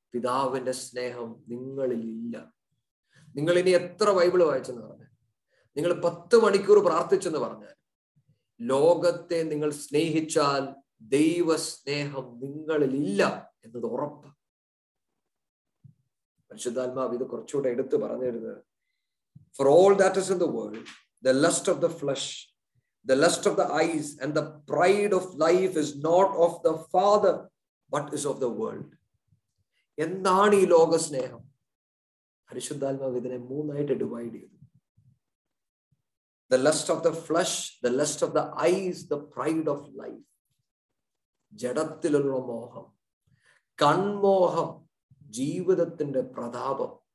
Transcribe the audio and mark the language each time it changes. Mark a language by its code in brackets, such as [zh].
[ml] പിതാവിന്റെ സ്നേഹം നിങ്ങളിൽ ഇല്ല. നിങ്ങൾ ഇനി എത്ര ബൈബിള് വായിച്ചെന്ന് പറഞ്ഞു, നിങ്ങൾ 10 മണിക്കൂർ പ്രാർത്ഥിച്ചെന്ന് പറഞ്ഞാൽ, ലോകത്തെ നിങ്ങൾ സ്നേഹിച്ചാൽ ദൈവസ്നേഹം നിങ്ങളിൽ ഇല്ല എന്നത് ഉറപ്പ്. പരിശുദ്ധാത്മാവ് ഇത് കുറച്ചുകൂടെ എടുത്ത് പറഞ്ഞു തരുന്നത്, [en] For all that is in the world the lust of the flesh The lust of the eyes and the pride of life is not of the Father, but is of the world. [ml] എന്താണ് ഈ ലോക സ്നേഹം? പരിശുദ്ധാത്മാവ് ഇതിനെ മൂന്നായിട്ട് divide ചെയ്തു. [en] the lust of the flesh, the lust of the eyes, the pride of life, [ml] ജഡത്തിലുള്ള മോഹം, കൺമോഹം, ജീവിതത്തിന്റെ പ്രതാപം.